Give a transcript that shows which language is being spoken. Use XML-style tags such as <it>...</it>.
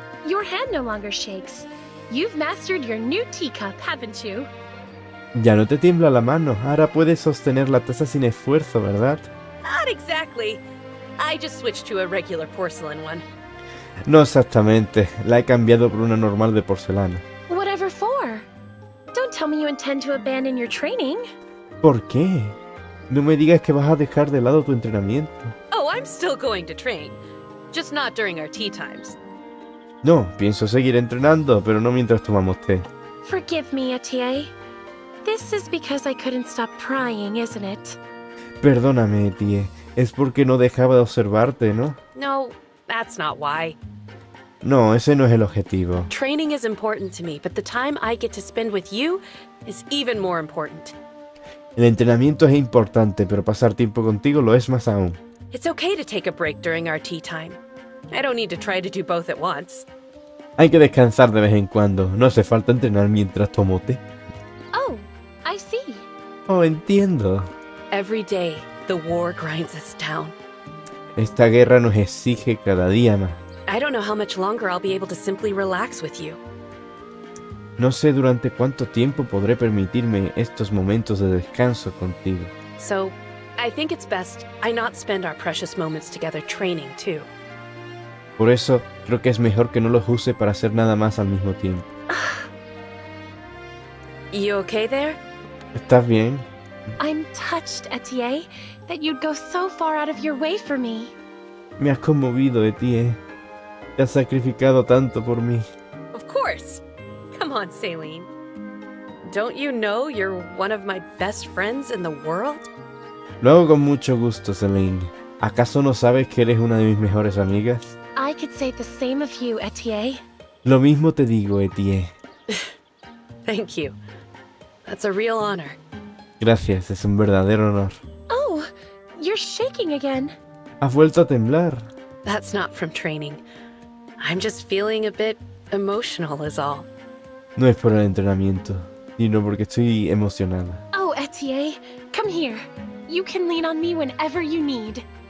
<en>Your hand no longer shakes. You've mastered your new teacup, haven't you?</en> <es>Ya no te tiembla la mano. Ahora puedes sostener la taza sin esfuerzo, ¿verdad?</es> <en>Not exactly. I just switched to a regular porcelain one.</en> <es>No exactamente. La he cambiado por una normal de porcelana.</es> <en>Whatever for? Don't tell me you intend to abandon your training.</en> <es>¿Por qué? No me digas que vas a dejar de lado tu entrenamiento.</es> <en>Oh, I'm still going to train. Just not during our tea times.</en> <es>No, pienso seguir entrenando, pero no mientras tomamos té.</es> <en>Forgive me, Etienne. This is because I couldn't stop prying, isn't it?</en> <es>Perdóname, Etienne. Es porque no dejaba de observarte, ¿no?</es> <en>No, that's not why.</en> <es>No, ese no es el objetivo.</es> <en>Training is important to me, but the time I get to spend with you is even more important.</en> <es>El entrenamiento es importante, pero pasar tiempo contigo lo es más aún.</es> <en>It's okay to take a break during our tea time. I don't need to try to do both at once.</en> <es>Hay que descansar de vez en cuando. No hace falta entrenar mientras tomo té.</es> <en>Oh, I see.</en> <es>Oh, entiendo.</es> <en>Every day, the war grinds us down.</en> <es>Esta guerra nos exige cada día más.</es> <en>I don't know how much longer I'll be able to simply relax with you.</en> <es>No sé durante cuánto tiempo podré permitirme estos momentos de descanso contigo.</es> <en>So, I think it's best I not spend our precious moments together training, too.</en> <es>Por eso, creo que es mejor que no los use para hacer nada más al mismo tiempo.</es> <en>You okay there?</en> <es>¿Estás bien?</es> <en>I'm touched, Etienne, that you'd go so far out of your way for me.</en> <es>Me has conmovido, Etienne. Te has sacrificado tanto por mí.</es> <en>Of course. Come on, Celine. Don't you know you're one of my best friends in the world?</en> <es>Lo hago con mucho gusto, Celine. ¿Acaso no sabes que eres una de mis mejores amigas?</es> <en>I could say the same of you, Etienne.</en> <es>Lo mismo te digo, Etienne.</es> <en>Thank you. That's a real honor.</en> <es>Gracias, es un verdadero honor.</es> <en>Oh, you're shaking again.</en> <es>Has vuelto a temblar.</es> <en>That's not from training. I'm just feeling a bit emotional is all.</en> <es>No es por el entrenamiento, sino porque estoy emocionada.</es> <en>Oh, Etienne, come here. You can lean on me whenever you need.</en>